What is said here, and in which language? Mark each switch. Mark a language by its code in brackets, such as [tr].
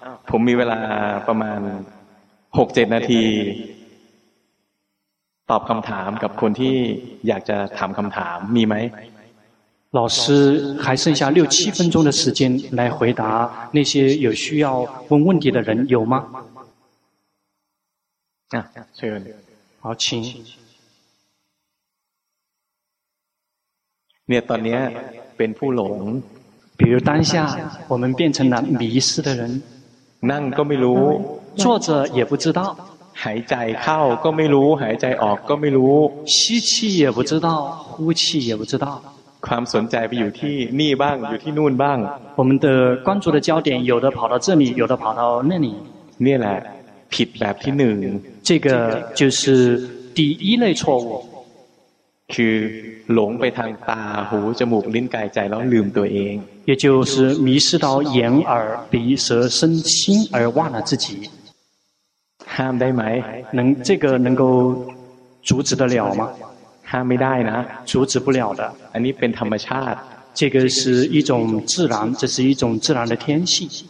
[th] ผมมีเวลาประมาณ 6-7 นาทีตอบคำถามกับคนที่อยากจะถามคำถามมีไหม [zh] 老师还剩下六七分钟的时间来回答那些有需要问问题的人有吗啊这个好请你当年变不拢比如当下我们变成了迷失的人那都没如坐着也不知道 [th] หายใจเข้าก็ไม่รู้หายใจออกก็ไม่รู้ [zh] 吸气也不知道呼气也不知道 [th] ความสนใจไปอยู่ที่นี่บ้างอยู่ที่นู่นบ้าง [zh] 我们的关注的焦点有的跑到这里有的跑到那里 [th] นี่แหละผิดแบบที่หนึ่ง [zh] 这个就是第一类错误 [th] คือหลงไปทางตาหูจมูกลิ้นกายใจแล้วลืมตัวเอง [zh] 也就是迷失到眼耳鼻舌身心而忘了自己 [th] ห้ามได้ไหม [zh] 能这个能够阻止得了吗 [th] ห้ามไม่ได้นะ [zh] 阻止不了的 [th] อันนี้เป็นธรรมชาติ [zh] 这个是一种自然这是一种自然的天性